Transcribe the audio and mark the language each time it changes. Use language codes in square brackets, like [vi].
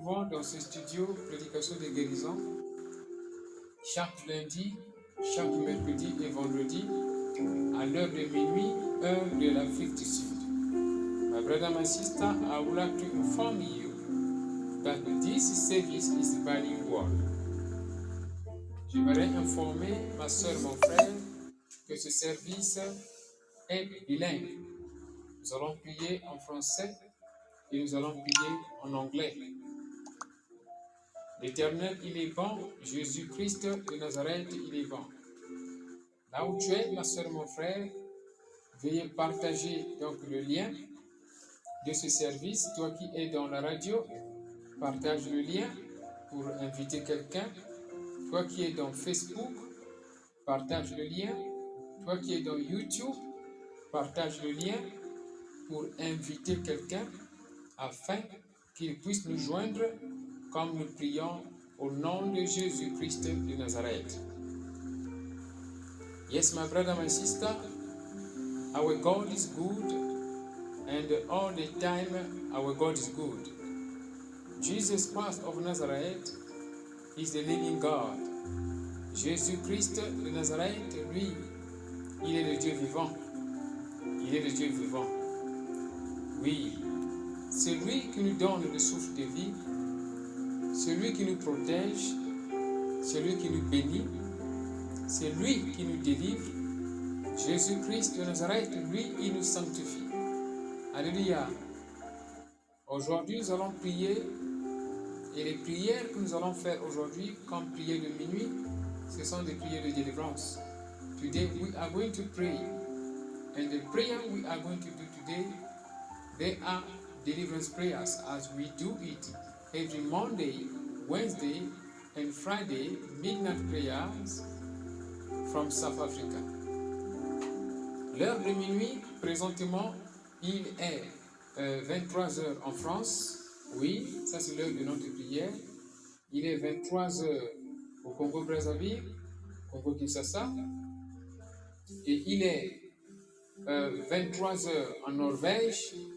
[fr] Dans ce studio, prédication des guérisons, chaque lundi, chaque mercredi et vendredi, à l'heure de minuit, heure de l'Afrique du Sud. [en] My brother, my sister, I would like to inform you that this service is bilingual. [fr] J'aimerais informer ma soeur, mon frère, que ce service est bilingue. Nous allons prier en français et nous allons prier en anglais. L'Éternel, il est bon. Jésus-Christ de Nazareth, il est bon. Là où tu es, ma soeur, mon frère, veuillez partager donc le lien de ce service. Toi qui es dans la radio, partage le lien pour inviter quelqu'un. Toi qui es dans Facebook, partage le lien. Toi qui es dans YouTube, partage le lien pour inviter quelqu'un afin qu'il puisse nous joindre comme nous prions au nom de Jésus-Christ de Nazareth. [en] Yes, my brother, my sister, our God is good, and all the time our God is good. Jesus Christ of Nazareth is the living God. [fr] Jésus-Christ de Nazareth, lui, il est le Dieu vivant. Il est le Dieu vivant. Oui, c'est lui qui nous donne le souffle de vie. C'est lui qui nous protège, c'est lui qui nous bénit, c'est lui qui nous délivre. Jésus-Christ de Nazareth, lui, il nous sanctifie. Alléluia. Aujourd'hui, nous allons prier, et les prières que nous allons faire aujourd'hui, comme prière de minuit, ce sont des prières de délivrance. [en] Today, we are going to pray. And the prayer we are going to do today, they are deliverance prayers, as we do it every Monday, Wednesday, and Friday, midnight prayers from South Africa. [fr] L'heure de minuit, présentement, il est 23h en France. Oui, ça c'est l'heure de notre prière. Il est 23h au Congo-Brazzaville, Congo-Kinshasa. Et il est 23h en Norvège.